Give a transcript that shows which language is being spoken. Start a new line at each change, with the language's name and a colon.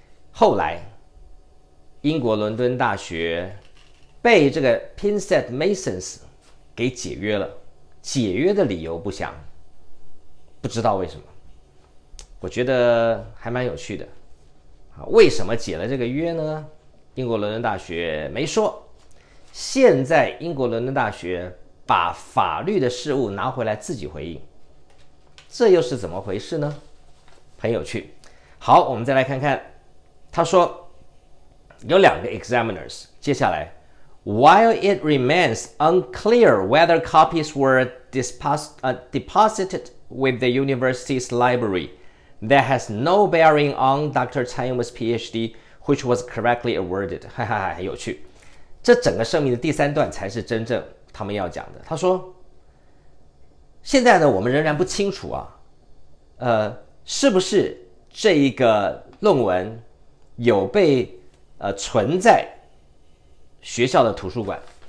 Chinese: 后来英国伦敦大学被这个 Pinsett Masons 给解约了，解约的理由不详，不知道为什么，我觉得还蛮有趣的。为什么解了这个约呢？英国伦敦大学没说。现在英国伦敦大学把法律的事务拿回来自己回应，这又是怎么回事呢？很有趣。好，我们再来看看，他说有两个 examiners， 接下来
English: While it remains unclear whether copies were deposited with the university's library, that has no bearing on Dr. Tsai Ing-wen's PhD, which was correctly awarded.
Chinese: 哈哈哈，很有趣。这整个声明的第三段才是真正他们要讲的。他说现在呢，我们仍然不清楚啊，是不是这一个论文有被存在学校的图书馆。